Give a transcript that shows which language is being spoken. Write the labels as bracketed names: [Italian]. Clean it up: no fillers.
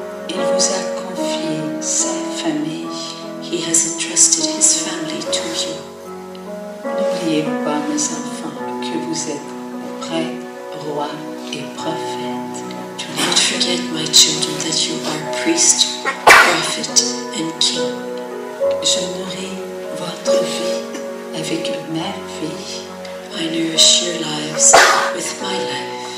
[French] Il vous a confié sa famille. [English] He has entrusted his family to you. [French] N'oubliez pas, mes enfants, que vous êtes prêtre, roi et prophète. [English] Do not forget, my children, that you are priest, prophet, and king. [French] Je nourris votre vie avec ma vie. [English] I nourish your lives with my life.